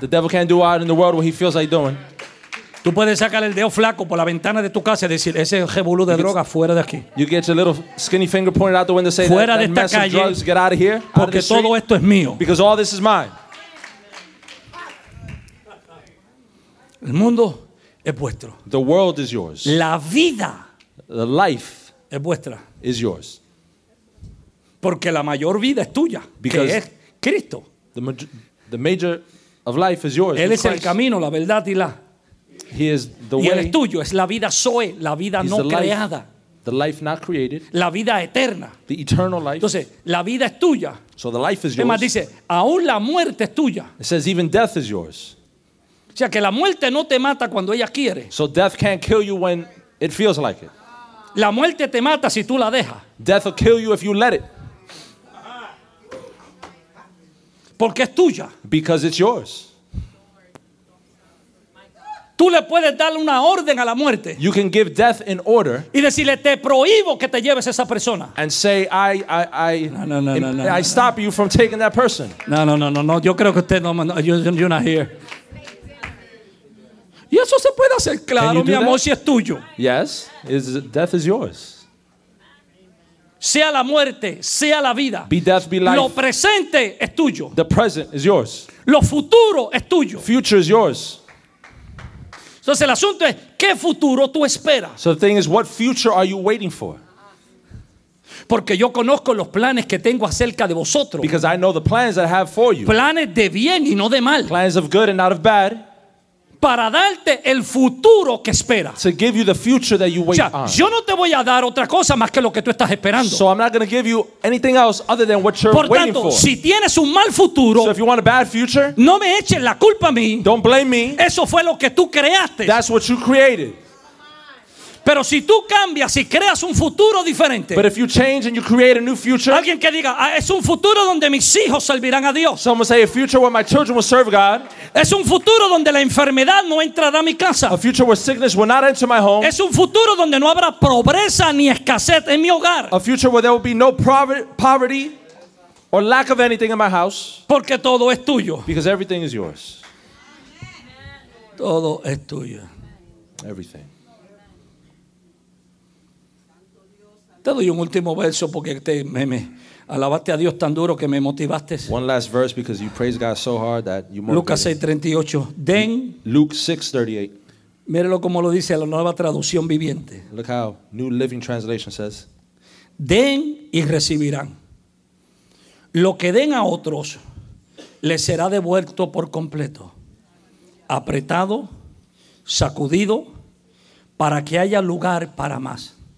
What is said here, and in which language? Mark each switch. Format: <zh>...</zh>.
<en>The devil can't do out in the world what he feels like doing.</en> <es>Tú puedes sacar el dedo flaco por la ventana de tu casa y decir, ese jebulú de droga, fuera de aquí.</es> <en>You get your little skinny finger pointed out the window saying,</en> <es>fuera de esta calle,</es> <en>drugs, get out of here,</en> <es>porque todo esto es mío.</es> <en>Because all this is mine.</en> <es>El mundo es vuestro.</es> <en>The world is yours.</en> <es>La vida.</es> <en>The life.</en> <es>Es vuestra.</es> <en>Is yours.</en> <es>Porque la mayor vida es tuya.</es> <en>Because</en> <es>que es Cristo.</es> <en>The major of life is yours.</en> <es>Él es el camino, la verdad y la.</es> <en>He is the way.</en> <es>Y él es tuyo, es la vida Zoe, la vida no creada.</es> <en>The life not created.</en> <es>La vida eterna.</es> <en>The eternal life.</en> <es>Entonces, la vida es tuya.</es> <en>So the life is yours.</en> <es>Además dice, aún la muerte es tuya.</es> <en>It says even death is yours.</en> <es>O sea, que la muerte no te mata cuando ella quiere.</es> <en>So death can't kill you when it feels like it.</en> <es>La muerte te mata si tú la dejas.</es> <en>Death will kill you if you let it.</en> <es>Porque es tuya.</es> <en>Because it's yours.</en> <es>Tú le puedes dar una orden a la muerte.</es> <en>You can give death an order.</en> <es>Y decirle, te prohíbo que te lleves esa persona.</es> <en>And say, I stop you from taking that person.</en> <es>No. Yo creo que usted no,</es> <en>you're not here.</en> <es>Y eso se puede hacer claro, mi amor,</es> <en>that?</en> <es>Si es tuyo.</es> <en>Yes, death is yours.</en> <es>Sea la muerte, sea la vida.</es> <en>Be death, be life.</en> <es>Lo presente es tuyo.</es> <en>The present is yours.</en> <es>Lo futuro es tuyo.</es> <en>Future is yours.</en> <es>Entonces el asunto es, ¿qué futuro tú esperas?</es> <en>So the thing is, what future are you waiting for?</en> <es>Porque yo conozco los planes que tengo acerca de vosotros.</es> <en>Because I know the plans that I have for you.</en> <es>Planes de bien y no de mal.</es> <en>Plans of good and not of bad.</en> <es>Para darte el futuro que esperas.</es> <en>To give you the future that you wait on.</en> <es>O sea, yo no te voy a dar otra cosa más que lo que tú estás esperando.</es> <en>So I'm not going to give you anything else other than what you're waiting for.</en> <es>Por tanto, si tienes un mal futuro,</es> <en>so if you want a bad future,</en> <es>no me eches la culpa a mí.</es> <en>Don't blame me.</en> <es>Eso fue lo que tú creaste.</es> <en>That's what you created.</en> <es>Pero si tú cambias y creas un futuro diferente.</es> <en>But if you change and you create a new future.</en> <es>Alguien que diga, es un futuro donde mis hijos servirán a Dios.</es> <en>Someone say a future where my children will serve God.</en> <es>Es un futuro donde la enfermedad no entrará a mi casa.</es> <en>A future where sickness will not enter my home.</en> <es>Es un futuro donde no habrá pobreza ni escasez en mi hogar.</es> <en>A future where there will be no poverty or lack of anything in my house.</en> <es>Porque todo es tuyo.</es> <en>Because everything is yours.</en> <es>Todo es tuyo.</es> <en>Everything.</en> <es>Te doy un último verso porque me alabaste a Dios tan duro que me motivaste.</es> <en>One last verse because you praise God so hard that you motivated.</en> <es>Lucas 6:38. Den.</es> <en>Luke 6:38.</en> <es>Mírelo como lo dice la Nueva Traducción Viviente.</es> <en>Look how New Living Translation says.</en> <es>Den y recibirán. Lo que den a otros les será devuelto por completo. Apretado, sacudido, para que haya lugar para más.</es>